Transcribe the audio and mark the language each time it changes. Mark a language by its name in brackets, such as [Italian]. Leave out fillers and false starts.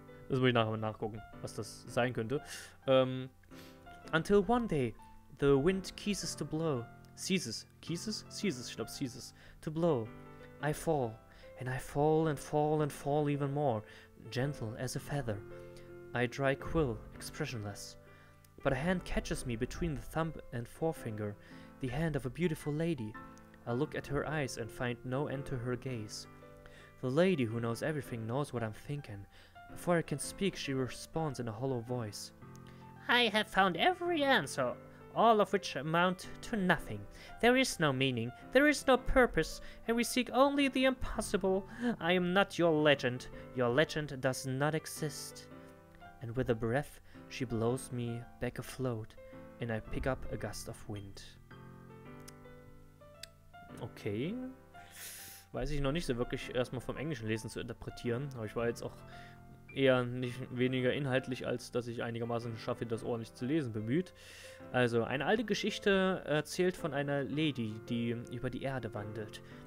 [German] Das muss ich nachher mal nachgucken, was das sein könnte. [English] Until one day, the wind ceases to blow. Ceases. Ceases? Ceases. [German] Ich glaube, [English] ceases. To blow. I fall. And I fall and fall and fall even more. Gentle as a feather. I dry quill, expressionless. But a hand catches me between the thumb and forefinger. The hand of a beautiful lady. I look at her eyes and find no end to her gaze. The lady who knows everything knows what I'm thinking. Before I can speak, she responds in a hollow voice. I have found every answer, all of which amount to nothing. There is no meaning, there is no purpose, and we seek only the impossible. I am not your legend. Your legend does not exist. And with a breath, she blows me back afloat, and I pick up a gust of wind. Okay. [German] Weiß ich noch nicht so wirklich erstmal vom Englischen lesen zu interpretieren, aber ich war jetzt auch eher nicht weniger inhaltlich, als dass ich einigermaßen schaffe, das ordentlich zu lesen, bemüht. Also, eine alte Geschichte erzählt von einer Lady, die über die Erde wandelt.